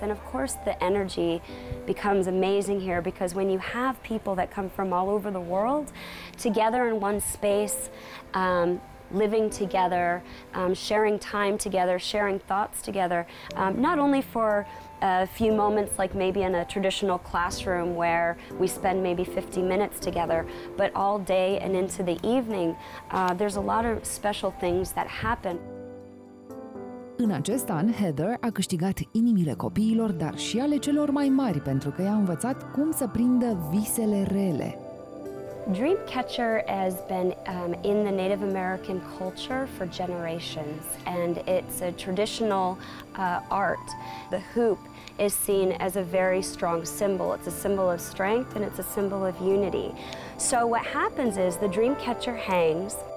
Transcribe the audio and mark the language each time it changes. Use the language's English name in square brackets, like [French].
[English] And of course the energy becomes amazing here because when you have people that come from all over the world together in one space, living together, sharing time together, sharing thoughts together, not only for a few moments like maybe in a traditional classroom where we spend maybe 50 minutes together, but all day and into the evening, there's a lot of special things that happen. [Romanian] În acest an, Heather a câștigat inimile copiilor, dar și ale celor mai mari, pentru că i-a învățat cum să prindă visele rele. [English] Dreamcatcher has been in the Native American culture for generations, and it's a traditional art. The hoop is seen as a very strong symbol. It's a symbol of strength and it's a symbol of unity. So what happens is the dreamcatcher hangs.